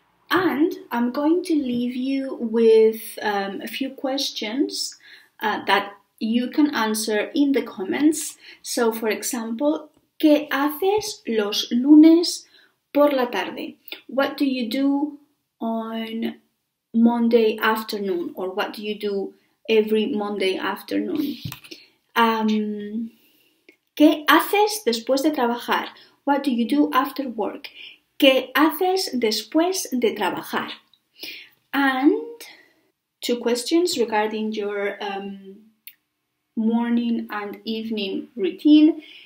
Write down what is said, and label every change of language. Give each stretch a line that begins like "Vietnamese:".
English: And I'm going to leave you with a few questions that you can answer in the comments. So, for example,
Spanish: ¿qué haces los lunes por la tarde?
English: What do you do on Monday afternoon? Or what do you do every Monday afternoon?
Spanish: ¿Qué haces después de trabajar?
English: What do you do after work?
Spanish: ¿Qué haces después de trabajar?
English: And two questions regarding your morning and evening routine.